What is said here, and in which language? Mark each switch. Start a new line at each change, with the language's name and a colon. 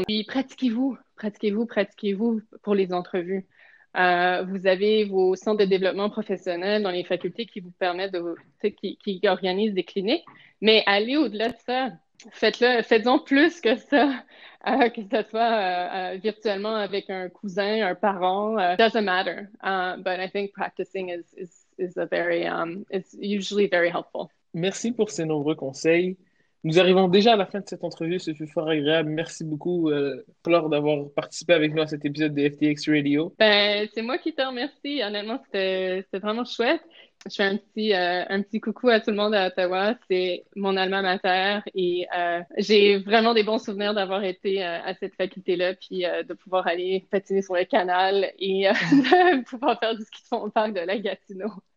French: Puis pratiquez-vous, pratiquez-vous, pratiquez-vous pour les entrevues. Vous avez vos centres de développement professionnel dans les facultés qui vous permettent qui organisent des cliniques. Mais allez au-delà de ça. Faites-en plus que ça, que ce soit virtuellement avec un cousin, un parent.
English: Doesn't matter, but I think practicing is a very, it's usually very helpful.
French: Merci pour ces nombreux conseils. Nous arrivons déjà à la fin de cette entrevue. Ce fut fort agréable. Merci beaucoup, Flore, d'avoir participé avec nous à cet épisode de FTX Radio. Ben, c'est moi qui te remercie. Honnêtement, c'était vraiment chouette. Je fais un petit coucou à tout le monde à Ottawa. C'est mon alma mater et j'ai vraiment des bons souvenirs d'avoir été à cette faculté-là, puis de pouvoir aller patiner sur le canal et de pouvoir faire du ski de fond au parc de la Gatineau.